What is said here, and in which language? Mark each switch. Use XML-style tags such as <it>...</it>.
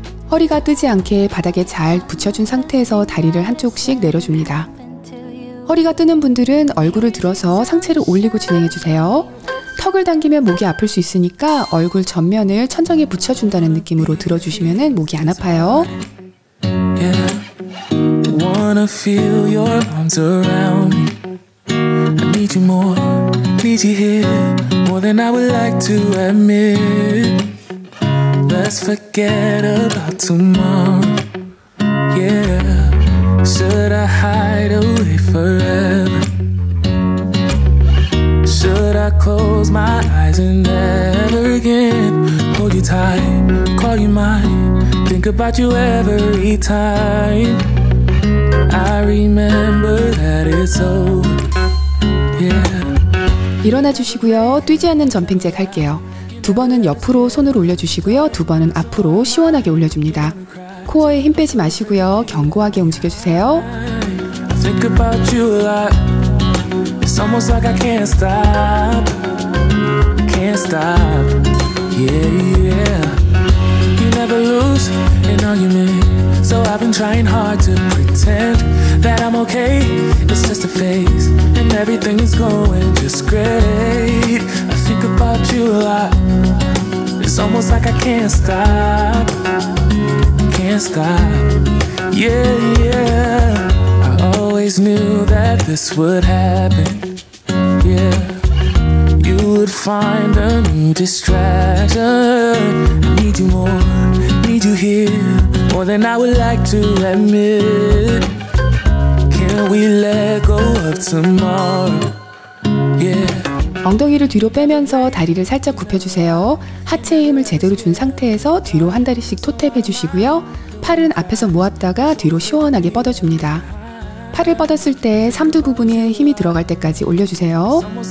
<ko>허리가 뜨지 않게 바닥에 잘 붙여준 상태에서 다리를 한쪽씩 내려줍니다. 허리가 뜨는 분들은 얼굴을 들어서 상체를 올리고 진행해주세요. 턱을 당기면 목이 아플 수 있으니까 얼굴 전면을 천장에 붙여준다는 느낌으로 들어주시면 목이 안 아파요.</ko> <en>Yeah, wanna feel your arms around me. I need you more. Need you here more than I would like to admit. Let's forget about tomorrow. Yeah, should I hide away forever? Should I close my eyes and never again hold you tight, call you mine, think about you every time. I remember that it's over. Yeah.</en> <ko>일어나 주시고요. 뛰지 않는 전핑제 갈게요. 두 번은 옆으로 손을 올려주시고요. 두 번은 앞으로 시원하게 올려줍니다. 코어에 힘 빼지 마시고요. 견고하게 움직여주세요.</ko> <en>Think about you a lot. It's almost like I can't stop. Can't stop. Yeah, yeah. You never lose an argument. So I've been trying hard to pretend that I'm okay. It's just a phase. And everything is going just great. I think about you a lot. It's almost like I can't stop. Can't stop. Yeah, yeah. I always knew that this would happen, yeah. You would find a new distraction. I need you more, need you here, more than I would like to admit. Can we let go of tomorrow, yeah.</en> <ko>엉덩이를 뒤로 빼면서 다리를 살짝 굽혀주세요. 하체의 힘을 제대로 준 상태에서 뒤로 한 다리씩 토탭 해주시고요. 팔은 앞에서 모았다가 뒤로 시원하게 뻗어줍니다. 팔을 뻗었을 때 삼두 부분에 힘이 들어갈 때까지 올려주세요.</ko>